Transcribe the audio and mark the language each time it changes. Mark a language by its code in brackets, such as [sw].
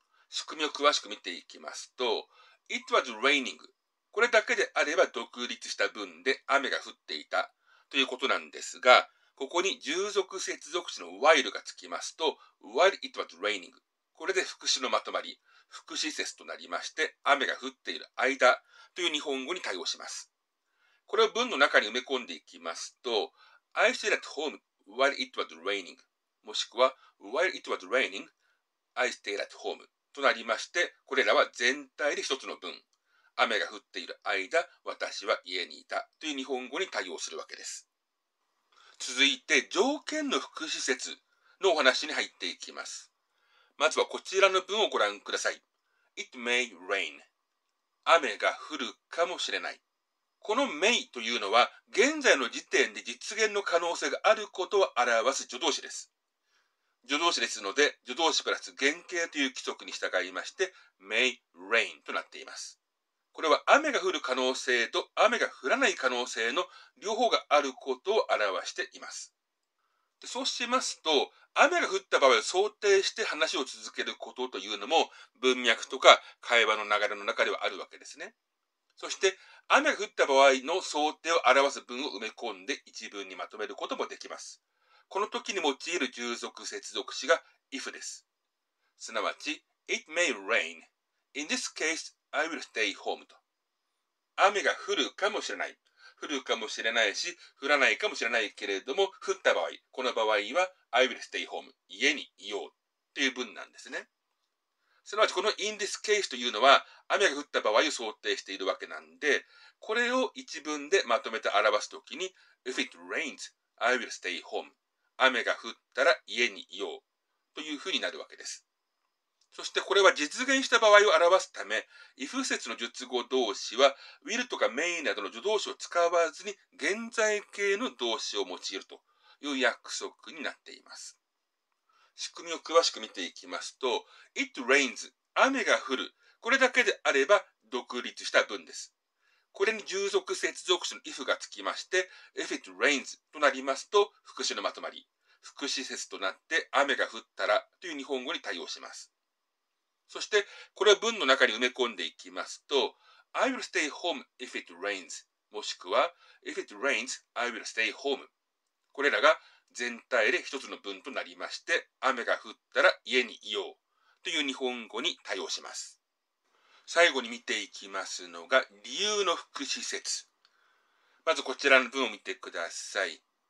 [ja] 仕組みを詳しく見ていきますと、 [en] It was raining、 [ja] これだけであれば独立した文で雨が降っていたということなんですが、ここに従属接続詞の while がつきますと、 [en] while it was raining、 [ja] これで副詞のまとまり、副詞節となりまして、雨が降っている間、という日本語に対応します。 [en] これを文の中に埋め込んでいきますと、I stayed at home while it was raining. [ja] もしくは、 [en] while it was raining, I stayed at home. [ja] となりまして、これらは全体で一つの文。雨が降っている間、私は家にいた。という日本語に対応するわけです。続いて、条件の副詞節のお話に入っていきます。まずはこちらの文をご覧ください。 [en] It may rain. [ja] 雨が降るかもしれない。この may というのは、現在の時点で実現の可能性があることを表す助動詞です。助動詞ですので、助動詞プラス原形という規則に従いまして、may rain となっています。これは雨が降る可能性と雨が降らない可能性の両方があることを表しています。で、そうしますと、雨が降った場合を想定して話を続けることというのも文脈とか会話の流れの中ではあるわけですね。そして雨が降った場合の想定を表す文を埋め込んで一文にまとめることもできます。この時に用いる従属接続詞が if です。 [en] すなわち、It may rain. In this case, I will stay home. [ja] と。雨が降るかもしれない。降るかもしれないし、降らないかもしれないけれども、降った場合、この場合は [en] I will stay home. [ja] 家にいようという文なんですね。すなわち、この in this case というのは、雨が降った場合を想定しているわけなんで、これを一文でまとめて表すときに、 [en] If it rains, I will stay home. [ja] 雨が降ったら家にいようというふうになるわけです。そしてこれは実現した場合を表すため、if 節の述語動詞は、will とか may などの助動詞を使わずに、現在形の動詞を用いるという約束になっています。仕組みを詳しく見ていきますと、 [en] It rains, [ja] 雨が降る。これだけであれば独立した文です。これに従属接続詞の if がつきまして、 [en] If it rains [ja] となりますと、副詞のまとまり、副詞節となって雨が降ったらという日本語に対応します。そして、これを文の中に埋め込んでいきますと、 [en] I will stay home if it rains, [ja] もしくは、 [en] If it rains, I will stay home。 [ja] これらが全体で一つの文となりまして、雨が降ったら家にいようという日本語に対応します。最後に見ていきますのが、理由の副詞節。まずこちらの文を見てください。